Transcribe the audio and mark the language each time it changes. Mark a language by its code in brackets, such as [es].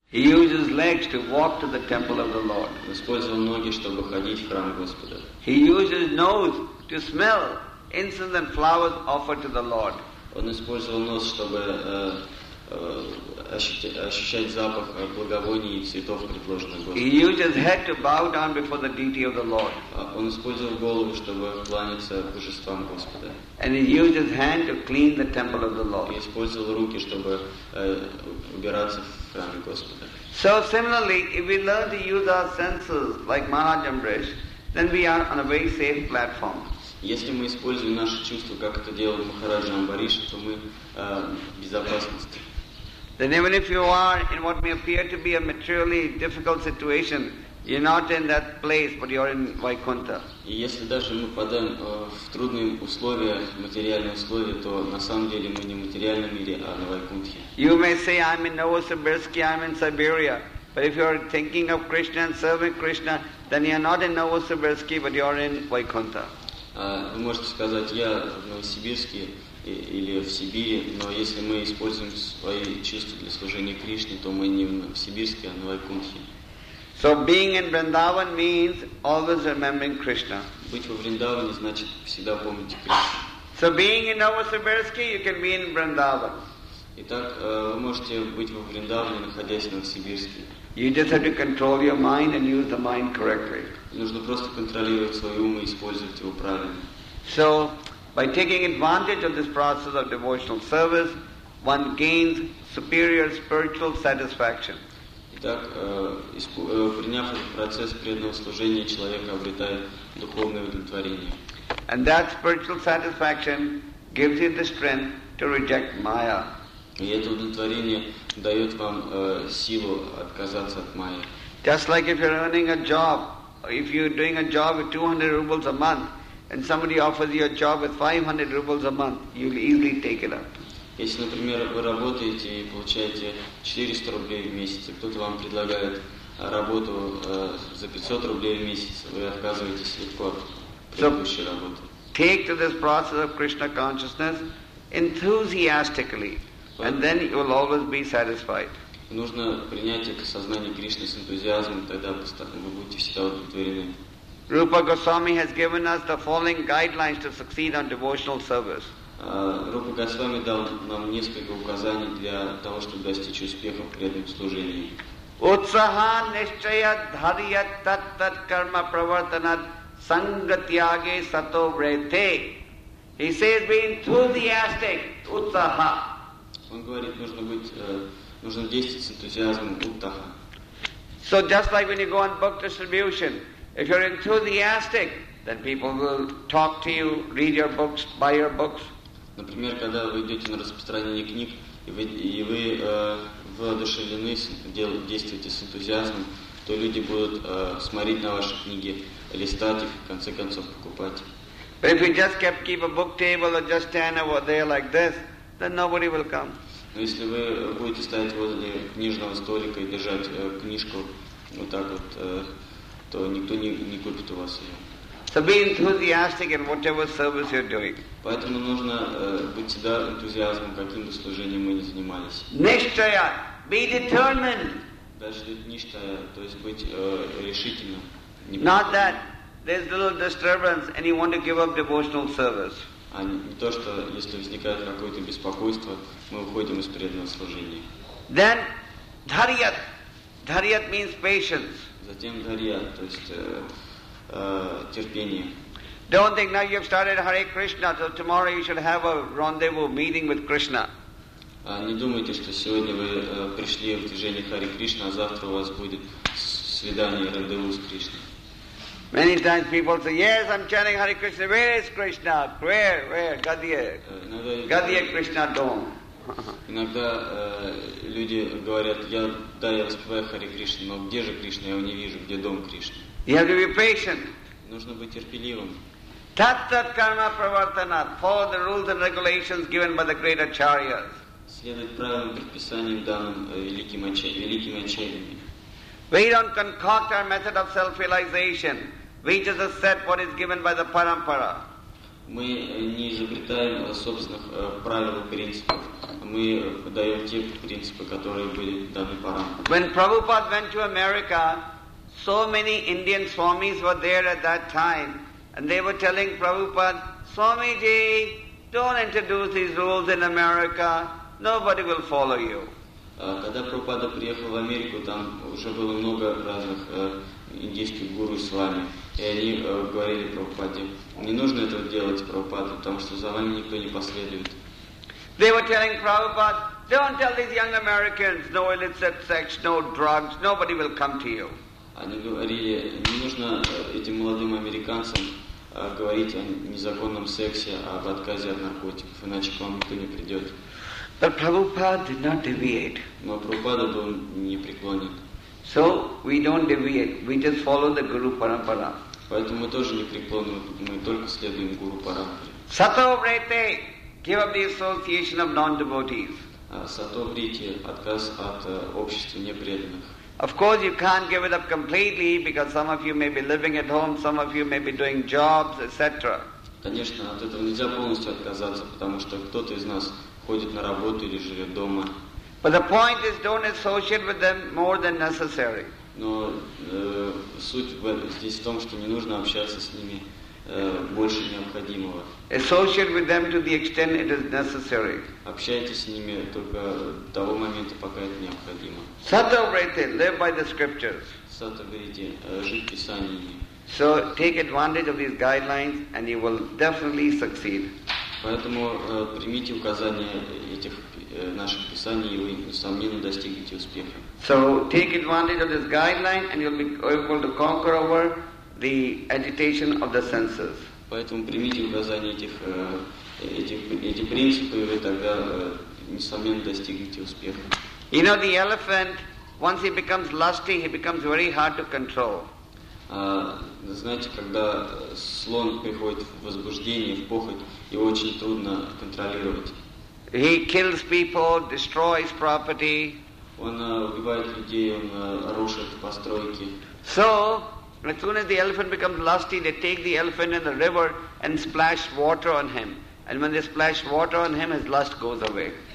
[en] He uses legs to walk to the temple of the Lord. [ru] Он использовал ноги, чтобы ходить в храм Господа. [en] He uses nose to smell incense and flowers offered to the Lord. [ru] Он использовал нос, чтобы ощущать запах благовоний и цветов, предложенных Господом. [en] He uses head to bow down before the deity of the Lord. [ru] Он использовал голову, чтобы кланяться божествам Господа. [en] And he uses hand to clean the temple of the Lord. [ru] И использовал руки, чтобы убираться в храме Господа. [en] So similarly, if we learn to use our senses like Maharaj Amrish, then we are on a very safe platform. [ru] Если мы используем наши чувства, как это делал Махараджа Амбариша, то мы в безопасности. [en] Then even if you are in what may appear to be a materially difficult situation, you're not in that place, but you're in Vaikuntha. [ru] И если даже мы попадаем в трудные условия, материальные условия, то на самом деле мы не в материальном мире, а на Вайкунтхе. [en] You may say, I'm in Novosibirsk, I'm in Siberia. But if you're thinking of Krishna and serving Krishna, then you're not in Novosibirsk, but you're in Vaikuntha. [ru] Вы можете сказать, я в Новосибирске или в Сибири, но если мы используем свои чувства для служения Кришне, то мы не в Сибирске, а на Вайкунтхе. [en] So being in Vrindavan means always remembering Krishna. [ru] Быть во Вриндаване значит всегда помнить Кришну. [en] So being in Novosibirsk, you can be in Vrindavan. [ru] Итак, вы можете быть во Вриндаване, находясь в Новосибирске. [en] You just have to control your mind and use the mind correctly. [ru] Нужно просто контролировать свой ум и использовать его правильно. [en] So, by taking advantage of this process of devotional service, one gains superior spiritual satisfaction. [ru] Итак, приняв этот процесс преданного служения, человек обретает духовное удовлетворение. [en] And that spiritual satisfaction gives you the strength to reject Maya. [ru] И это удовлетворение дает вам силу отказаться от майи. [en] Just like if you're earning a job, if you're doing a job with 200 rubles a month, and somebody offers you a job with 500 rubles a month, you'll easily take it up. [ru] Если, например, вы работаете и получаете 400 рублей в месяц, кто-то вам предлагает работу за 500 рублей в месяц, вы отказываетесь легко от предыдущей работы. [en] Take to this process of Krishna consciousness enthusiastically. And then you will always be satisfied. [ru] Нужно принять это сознание Кришны с энтузиазмом, тогда вы будете всегда удовлетворены. [en] Rupa Goswami has given us the following guidelines to succeed on devotional service. [ru] Rupa Goswami дал нам несколько указаний для того, чтобы достичь успеха в преданном служении. [sa] Utsaha nischaya dharya tat tat karma pravartanat sangatyage sato vrethe. [en] He says, be enthusiastic, utsaha. [ru] Он говорит, нужно действовать с энтузиазмом уттаха. [en] So just like when you go on book distribution, if you're enthusiastic, then people will talk to you, read your books, buy your books. [ru] Например, когда вы идете на распространение книг, и вы воодушевлены, действуете с энтузиазмом, то люди будут смотреть на ваши книги, листать их, в конце концов покупать. [en] But if you just keep a book table or just stand over there like this, then nobody will come. [ru] Но если вы будете стоять возле книжного столика и держать книжку вот так вот, то никто не купит у вас ее. [en] So be enthusiastic in whatever service you're doing. [ru] Поэтому нужно быть всегда энтузиазмом, каким бы служением мы ни занимались. [en] Nishchaya, be determined. [ru] Даже nishchaya, то есть быть решительным. [en] Not that there's little disturbance and you want to give up devotional service. [ru] А не то, что если возникает какое-то беспокойство, мы уходим из преданного служения. [en] Then, dharyat. Dharyat means patience. [ru] Затем dharyat, то есть терпение. [en] Don't think now you've started Hare Krishna, so tomorrow you should have a rendezvous meeting with Krishna. [ru] Не думайте, что сегодня вы пришли в движение Hare Krishna, а завтра у вас будет свидание, рандеву с Кришной. [en] Many times people say, yes, I'm chanting Hare Krishna. Where is Krishna? Where? Gadiya. Gadiya Krishna Dom. [ru] Иногда люди говорят, я распеваю Hare Krishna, но где же Кришна? Я его не вижу, где дом Кришны. [en] You have to be patient. [ru] Нужно быть терпеливым. [sa] Tat-tat karma pravartanat. [en] Follow the rules and regulations given by the great acharyas. [ru] Следовать правилам и предписаниям, данным великими ачарьями. [en] We don't concoct our method of self-realization. We just accept what is given by the parampara. [ru] Мы не изобретаем собственных правил и принципов. Мы даем те принципы, которые были даны Парам. [en] When Prabhupada went to America, so many Indian swamis were there at that time, and they were telling Prabhupada, Swamiji, don't introduce these rules in America. Nobody will follow you. [ru] Когда Прабхупада приехал в Америку, там уже было много разных индийских гуру с вами. И они говорили Прабхупаде, не нужно этого делать, Прабхупада, потому что за вами никто не последует. [en] They were telling Prabhupada, don't tell these young Americans, no illicit sex, no drugs, nobody will come to you. [ru] Они говорили, не нужно этим молодым американцам говорить о незаконном сексе, об отказе от наркотиков, иначе к вам никто не придет. [en] But Prabhupada did not deviate. [ru] Но Прабхупада был непреклонен. [en] So we don't deviate. We just follow the Guru Parampara. [ru] Поэтому мы тоже непреклонны. Мы только следуем Гуру Парампаре. [sa] Sato Vrete, [en] give up the association of non-devotees. [sa] Sato Vrete, [ru] отказ от общества непреданных. [en] Of course, you can't give it up completely because some of you may be living at home, some of you may be doing jobs, etc. [ru] Конечно, от этого нельзя полностью отказаться, потому что кто-то из нас ходит на работу или живет дома. [en] But the point is, don't associate with them more than necessary. [ru] Но суть здесь в том, что не нужно общаться с ними больше необходимого. [en] Associate with them to the extent it is necessary. [ru] Общайтесь с ними только до того момента, пока это необходимо. [en] Satavriti, live by the scriptures. [ru] Satavriti, жить писаниями. [en] So take advantage of these guidelines, and you will definitely succeed. [ru] Поэтому примите указания этих наших писаний, и вы, несомненно, достигнете успеха. [en] So take advantage of this guideline, and you'll be able to conquer over the agitation of the senses. [ru] Поэтому примите указания этих принципов, и вы тогда, несомненно, достигнете успеха. [en] You know, the elephant, once he becomes lusty, he becomes very hard to control. [ru] Знаете, когда слон приходит в возбуждение, в похоть, его очень трудно контролировать. [en] He kills people, destroys property. [ru] Он убивает людей, он рушит постройки. [en] So, as soon as the elephant becomes lusty, they take the elephant in the river and splash water on him. And when they splash water on him, his lust goes away.